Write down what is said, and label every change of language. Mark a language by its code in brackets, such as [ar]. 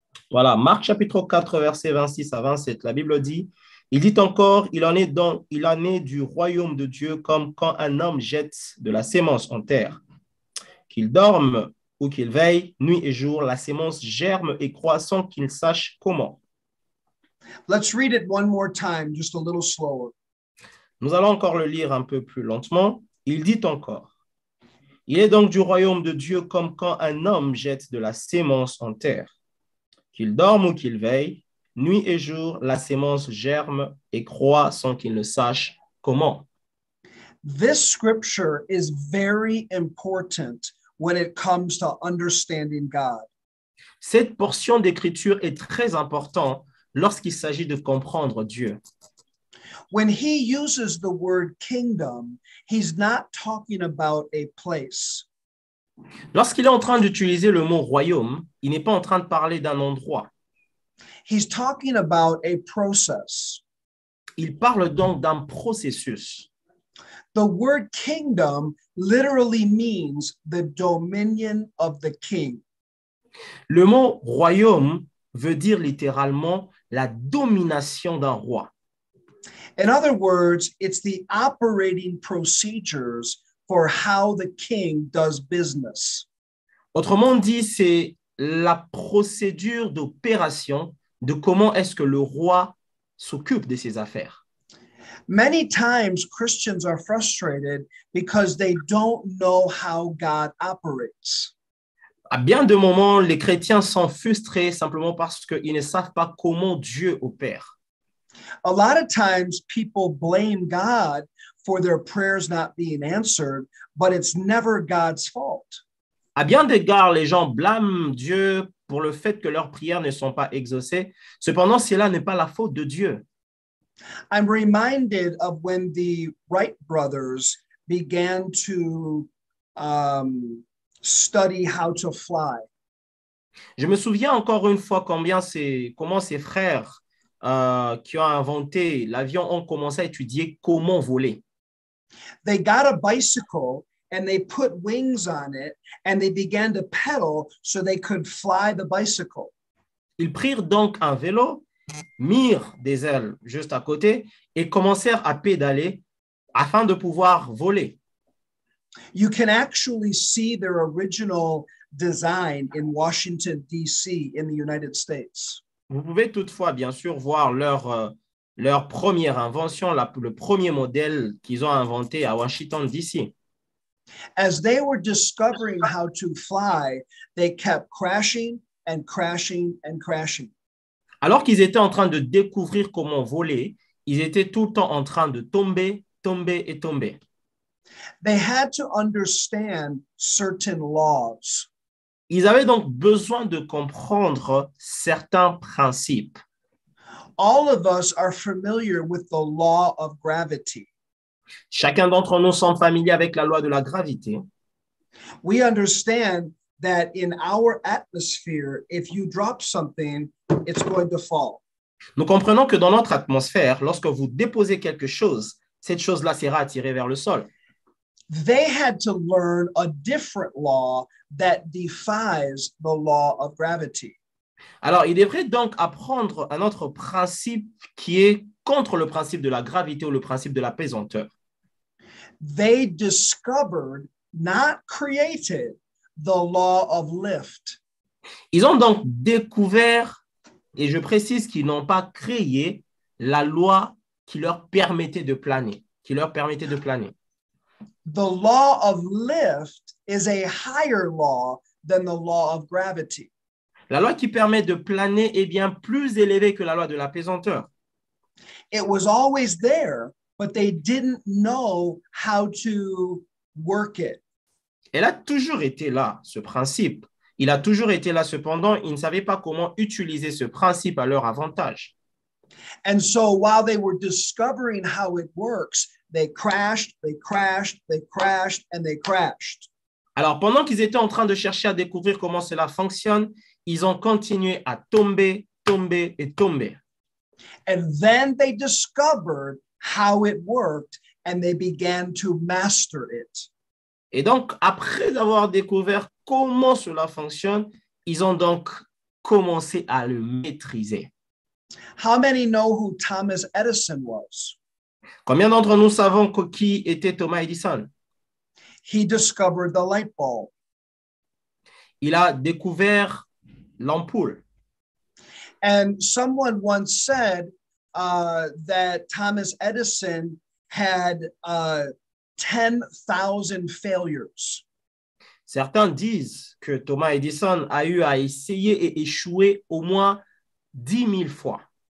[fr] Voilà, Marc chapitre 4, verset 26 à 27, la Bible dit, il dit encore, il en est du royaume de Dieu comme quand un homme jette de la semence en terre. Qu'il dorme ou qu'il veille, nuit et jour, la semence germe et croît sans qu'il sache comment. [en] Let's read it one more time, just a little slower. [fr] Nous allons encore le lire un peu plus lentement. Il dit encore, il est donc du royaume de Dieu comme quand un homme jette de la semence en terre. Qu'il dorme ou qu'il veille, nuit et jour, la semence germe et croît sans qu'il ne sache comment. [en] This scripture is very important when it comes to understanding God. [fr] Cette portion d'écriture est très importante lorsqu'il s'agit de comprendre Dieu. [en] When he uses the word kingdom, he's not talking about a place. [fr] Lorsqu'il est en train d'utiliser le mot royaume, il n'est pas en train de parler d'un endroit. [en] He's talking about a process. [fr] Il parle donc d'un processus. [en] The word kingdom literally means the dominion of the king. [fr] Le mot royaume veut dire littéralement la domination d'un roi. [en] In other words, it's the operating procedures for how the king does business. [fr] Autrement dit, c'est la procédure d'opération de comment est-ce que le roi s'occupe de ses affaires. [en] Many times Christians are frustrated because they don't know how God operates. [fr] À bien de moments, les chrétiens sont frustrés simplement parce qu'ils ne savent pas comment Dieu opère. [en] A lot of times people blame God for their prayers not being answered, but it's never God's fault. [fr] À bien des égards, les gens blâment Dieu pour le fait que leurs prières ne sont pas exaucées. Cependant, cela n'est pas la faute de Dieu. [en] I'm reminded of when the Wright brothers began to study how to fly. [fr] Je me souviens encore une fois comment ces frères qui ont inventé l'avion ont commencé à étudier comment voler. [en] They got a bicycle and they put wings on it and they began to pedal so they could fly the bicycle. [fr] Ils prirent donc un vélo, mirent des ailes juste à côté et commencèrent à pédaler afin de pouvoir voler. [en] You can actually see their original design in Washington, D.C., in the United States. [fr] Vous pouvez toutefois, bien sûr, voir leur première invention, le premier modèle qu'ils ont inventé à Washington, D.C. [en] As they were discovering how to fly, they kept crashing and crashing and crashing. [fr] Alors qu'ils étaient en train de découvrir comment voler, ils étaient tout le temps en train de tomber, tomber et tomber. [en] They had to understand certain laws. [fr] Ils avaient donc besoin de comprendre certains principes. [en] All of us are familiar with the law of gravity. [fr] Chacun d'entre nous sont familiers avec la loi de la gravité. [en] We understand that in our atmosphere, if you drop something, it's going to fall. [fr] Nous comprenons que dans notre atmosphère, lorsque vous déposez quelque chose, cette chose-là sera attirée vers le sol. [en] They had to learn a different law that defies the law of gravity. [fr] Alors, ils devraient donc apprendre un autre principe qui est contre le principe de la gravité ou le principe de la pesanteur. [en] They discovered, not created, the law of lift. [fr] Ils ont donc découvert, et je précise qu'ils n'ont pas créé, la loi qui leur permettait de planer, qui leur permettait de planer. [en] The law of lift is a higher law than the law of gravity. [fr] La loi qui permet de planer est bien plus élevée que la loi de la pesanteur. [en] It was always there, but they didn't know how to work it. [fr] Elle a toujours été là, ce principe. Il a toujours été là, cependant, ils ne savaient pas comment utiliser ce principe à leur avantage. [en] And so while they were discovering how it works, they crashed, they crashed, they crashed, and they crashed. [fr] Alors, pendant qu'ils étaient en train de chercher à découvrir comment cela fonctionne, ils ont continué à tomber, tomber et tomber. [en] And then they discovered how it worked, and they began to master it. [fr] Et donc, après avoir découvert comment cela fonctionne, ils ont donc commencé à le maîtriser. [en] How many know who Thomas Edison was? [fr] Combien d'entre nous savons qui était Thomas Edison? [en] He discovered the light bulb. [fr] Il a découvert l'ampoule. [en] And someone once said that Thomas Edison had 10,000 failures. [fr] Certains disent que Thomas Edison a eu à essayer et échouer au moins 10 000 fois.